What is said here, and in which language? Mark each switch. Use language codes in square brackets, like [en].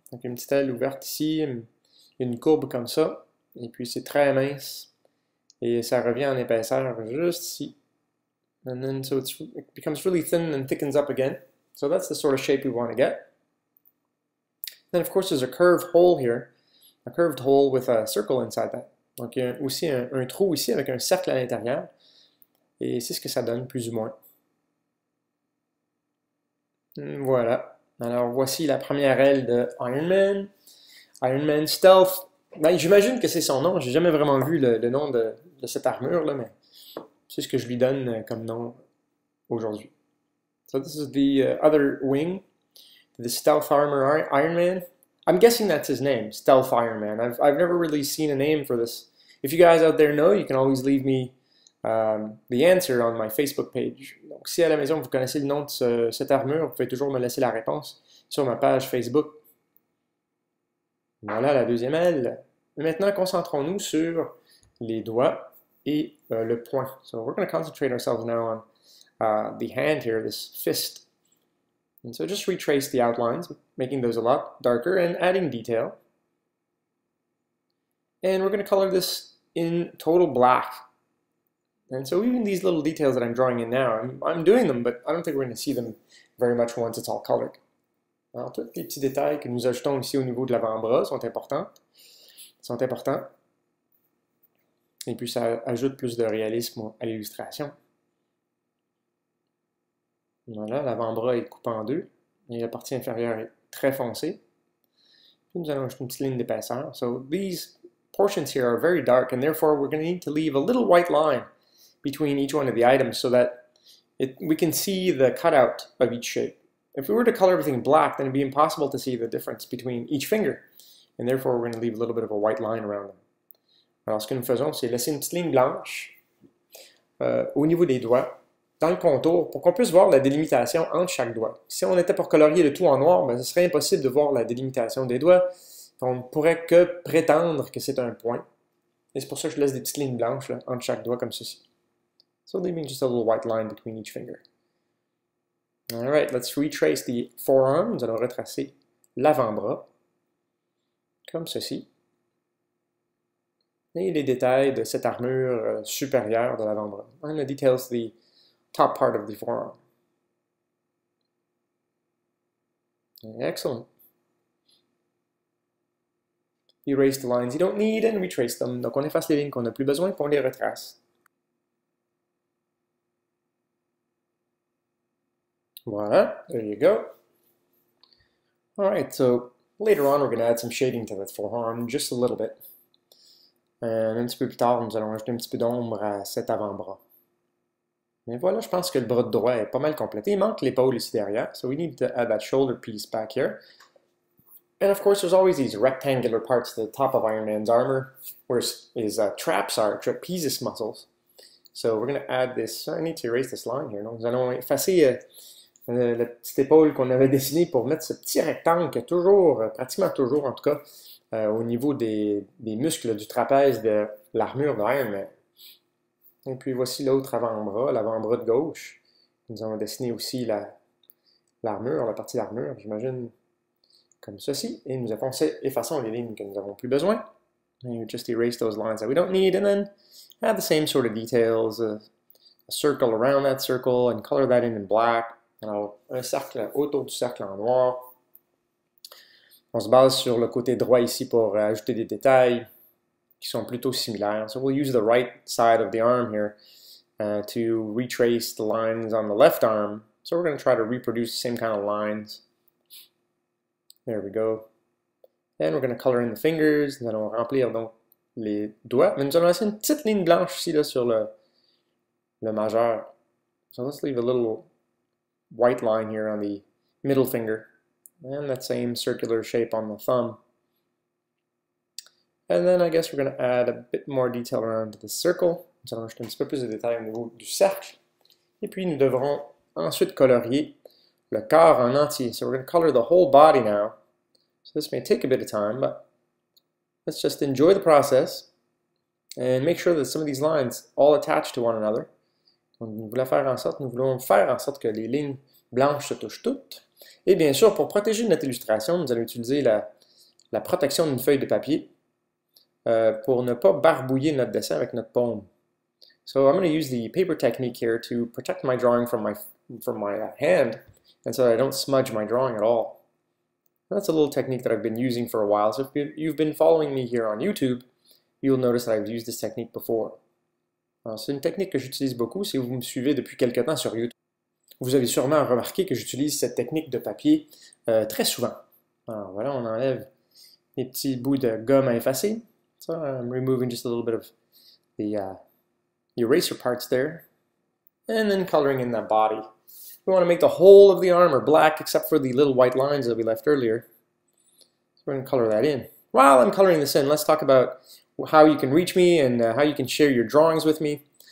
[fr] Donc une petite aile ouverte ici, une courbe comme ça, et puis c'est très mince, et ça revient en épaisseur juste ici. [en] And then so it's, it becomes really thin and thickens up again. So that's the sort of shape we want to get. Then of course there's a curved hole here, a curved hole with a circle inside that. [fr] Donc, il y a aussi un trou ici avec un cercle à l'intérieur. Et c'est ce que ça donne, plus ou moins. Voilà. Alors, voici la première aile de Iron Man. Iron Man Stealth. Ben, j'imagine que c'est son nom. J'ai jamais vraiment vu le nom de cette armure, là, mais c'est ce que je lui donne comme nom aujourd'hui. [en] So, this is the other wing. The Stealth Armor Iron Man. I'm guessing that's his name, Stealth Iron Man. I've never really seen a name for this. If you guys out there know, you can always leave me the answer on my Facebook page. [fr] Donc, si à la maison vous connaissez le nom de cette armure, vous pouvez toujours me laisser la réponse sur ma page Facebook. Voilà la deuxième aile. Maintenant, concentrons-nous sur les doigts et le poing. [en] So we're going to concentrate ourselves now on the hand here, this fist. And so just retrace the outlines, making those a lot darker and adding detail. And we're going to color this in total black. And so even these little details that I'm drawing in now, I'm doing them, but I don't think we're going to see them very much once it's all colored. [fr] Alors, tous les petits détails que nous ajoutons ici au niveau de l'avant-bras sont importants. Sont importants. Et puis ça ajoute plus de réalisme à l'illustration. Voilà, l'avant-bras est coupé en deux et la partie inférieure est très foncée. Puis nous allons ajouter une petite ligne d'épaisseur. [en] So, these portions here are very dark and therefore we're going to need to leave a little white line between each one of the items so that we can see the cutout of each shape. If we were to color everything black, then it'd be impossible to see the difference between each finger and therefore we're going to leave a little bit of a white line around them. [fr] Alors, ce que nous faisons, c'est laisser une petite ligne blanche au niveau des doigts. Dans le contour, pour qu'on puisse voir la délimitation entre chaque doigt. Si on était pour colorier le tout en noir, ben, ce serait impossible de voir la délimitation des doigts. On ne pourrait que prétendre que c'est un point. Et c'est pour ça que je laisse des petites lignes blanches là, entre chaque doigt, comme ceci. [en] So, leaving just a little white line between each finger. All right, let's retrace the forearm. [fr] Nous allons retracer l'avant-bras, comme ceci. Et les détails de cette armure supérieure de l'avant-bras. [en] And the details of the top part of the forearm. Excellent. Erase the lines you don't need and retrace them. [fr] Donc on efface les lignes qu'on n'a plus besoin et qu'on les retrace. [en] Voilà, there you go. Alright, so later on we're going to add some shading to that forearm, just a little bit. [fr] Un petit peu plus tard, nous allons ajouter un petit peu d'ombre à cet avant-bras. Mais voilà, je pense que le bras de droit est pas mal complété. Il manque l'épaule ici derrière, [en] so we need to add that shoulder piece back here. And of course, there's always these rectangular parts at the top of Iron Man's armor, where his traps are, trapezius muscles. So we're going to add this, I need to erase this line here. [fr] Donc nous allons effacer la petite épaule qu'on avait dessinée pour mettre ce petit rectangle qui est toujours, pratiquement toujours en tout cas, au niveau des muscles du trapèze de l'armure de Iron Man. Et puis voici l'autre avant-bras, l'avant-bras de gauche. Nous avons dessiné aussi la partie d'armure, j'imagine, comme ceci. Et nous avons effaçons les lignes que nous n'avons plus besoin. [en] And you just erase those lines that we don't need, and then add the same sort of details, a circle around that circle, and color that in black. [fr] Alors, un cercle autour du cercle en noir. On se base sur le côté droit ici pour ajouter des détails qui sont plutôt similaires. [en] So we'll use the right side of the arm here to retrace the lines on the left arm. So we're going to try to reproduce the same kind of lines. There we go. And we're going to color in the fingers. [fr] Nous allons remplir donc les doigts. Mais nous allons laisser une petite ligne blanche ici là, sur le majeur. [en] So let's leave a little white line here on the middle finger. And that same circular shape on the thumb. And then I guess we're going to add a bit more detail around the circle. [fr] Nous allons ajouter un petit peu plus de détails au niveau du cercle. Et puis nous devrons ensuite colorier le corps en entier. [en] So we're going to color the whole body now. So this may take a bit of time, but let's just enjoy the process. And make sure that some of these lines all attach to one another. [fr] Nous voulons faire en sorte que les lignes blanches se touchent toutes. Et bien sûr, pour protéger notre illustration, nous allons utiliser la protection d'une feuille de papier pour ne pas barbouiller notre dessin avec notre paume. [en] So I'm going to use the paper technique here to protect my drawing from my hand, and so that I don't smudge my drawing at all. That's a little technique that I've been using for a while. So if you've been following me here on YouTube, you'll notice that I've used this technique before. [fr] C'est une technique que j'utilise beaucoup si vous me suivez depuis quelque temps sur YouTube. Vous avez sûrement remarqué que j'utilise cette technique de papier très souvent. Alors voilà, on enlève les petits bouts de gomme à effacer. [en] So I'm removing just a little bit of the eraser parts there. And then coloring in the body. We want to make the whole of the armor black except for the little white lines that we left earlier. So we're going to color that in. While I'm coloring this in, let's talk about how you can reach me and how you can share your drawings with me.